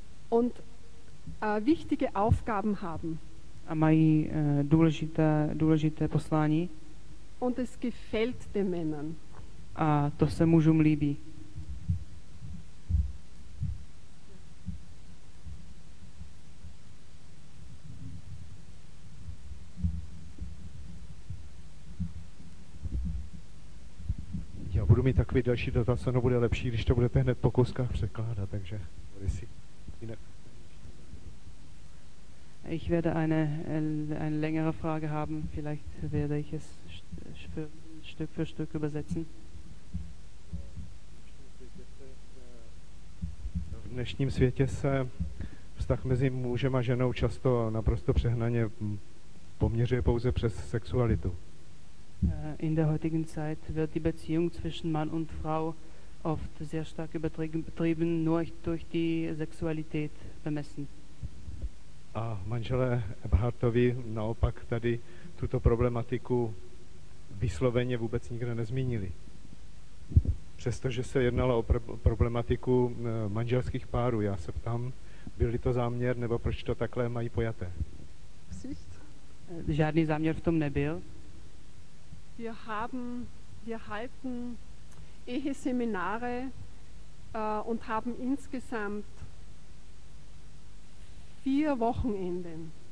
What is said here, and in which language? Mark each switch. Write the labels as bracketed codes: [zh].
[de] Und wichtige Aufgaben haben. [cs] A mají důležité poslání. [de] Und es gefällt den Männern. [cs] A to se mužům líbí. Já budu mít takový další dotaz, ono bude lepší, když to budete hned po kouskách překládat, takže bude si jinak. [de] Ich werde eine längere Frage haben, vielleicht werde ich es Stück für Stück übersetzen. [cs] V dnešním světě se vztah mezi mužem a ženou často naprosto přehnaně poměřuje pouze přes sexualitu. [de] In der heutigen Zeit wird die Beziehung zwischen Mann und Frau oft sehr stark übertrieben, nur durch die Sexualität bemessen. [cs] A manželé Ebhartovi naopak tady tuto problematiku vysloveně vůbec nikde nezmínili. Přestože se jednalo o problematiku manželských párů, já se ptám, byl-li to záměr, nebo proč to takhle mají pojaté? Žádný záměr v tom nebyl. [de] Wir halten Eheseminare und haben insgesamt 4 Wochenenden.